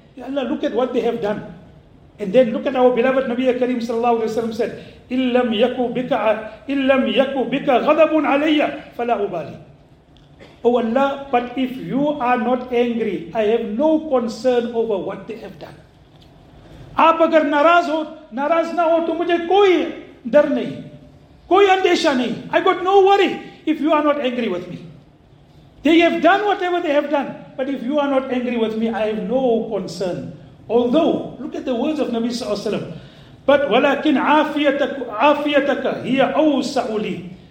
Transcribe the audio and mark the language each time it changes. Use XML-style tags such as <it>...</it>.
<en>Ya Allah, look at what they have done. And then look at our beloved Nabi Karim sallallahu alaihi wasallam said,</en> <ar>illam yaku bika ghadabun alayya fala ubali.</ar> <en>Oh Allah, but if you are not angry, I have no concern over what they have done.</en> <ur>آپ اگر ناراض نہ ہو تو مجھے کوئی ڈر نہیں, کوئی اندیشہ نہیں.</ur> <en>I got no worry if you are not angry with me. They have done whatever they have done, but if you are not angry with me, I have no concern. Although, look at the words of Nabi sallallahu alaihi wasallam. But</en> <ar>walakin afiyataka hiya awsa'u li.</ar>